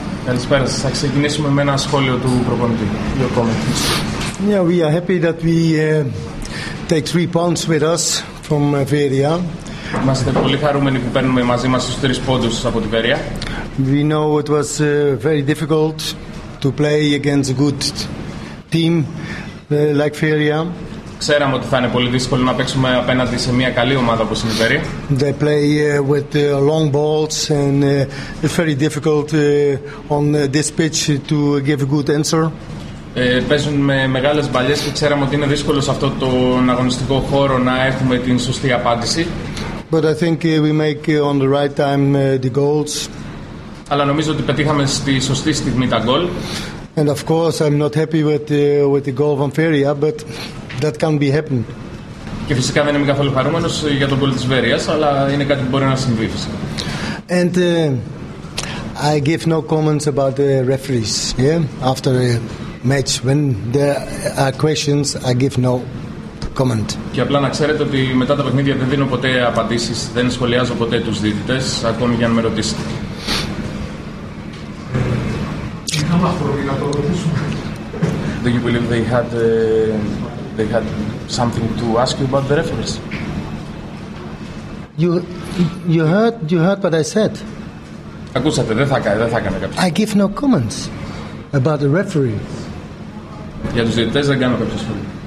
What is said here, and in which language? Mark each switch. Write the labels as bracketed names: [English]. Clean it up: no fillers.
[Greek] Καλησπέρα σας. Θα ξεκινήσουμε με ένα σχόλιο του προπονητή. [English] Your comments. Yeah, we are happy that we take 3 points with us from Veria. [Greek] Είμαστε πολύ χαρούμενοι που παίρνουμε μαζί μας τους [English] 3 points [Greek] από τη Veria. [English] We know it was very difficult to play against a good team like Veria. [Greek] Ξέραμε ότι θα είναι πολύ δύσκολο να παίξουμε απέναντι σε μια καλή ομάδα όπως είναι η Veria. [English] They play with long balls and it's very difficult on this pitch to give a good answer. [Greek] Παίζουν με μεγάλες μπαλιές και ξέραμε ότι είναι δύσκολο σε αυτό τον αγωνιστικό χώρο να έχουμε την σωστή απάντηση. [English] But I think we make on the right time the goals. [Greek] Αλλά νομίζω ότι πετύχαμε στη σωστή στιγμή τα goal. [English] And of course I'm not happy with the goal from Veria, but that can be happen. [Greek] Και φυσικά δεν είμαι καθόλου χαρούμενος για τον πολίτη της Βέρειας, αλλά είναι κάτι που μπορεί να συμβεί φυσικά. [English] And I give no comments about the referees. Yeah, after the match when there are questions, I give no comment. [Greek] Και απλά να ξέρετε ότι μετά τα παιχνίδια δεν δίνω ποτέ απαντήσεις, δεν σχολιάζω ποτέ τους διαιτητές, ακόμη για να με ρωτήσετε. [English] Do you believe they had something to ask you about the referees? You heard what I said. [Greek] Ακούσατε, δεν θα έκανε κάποιο. [English] I give no comments about the referees. [Greek] Για τους διαιτητές δεν κάνω κάποιο σχόλιο.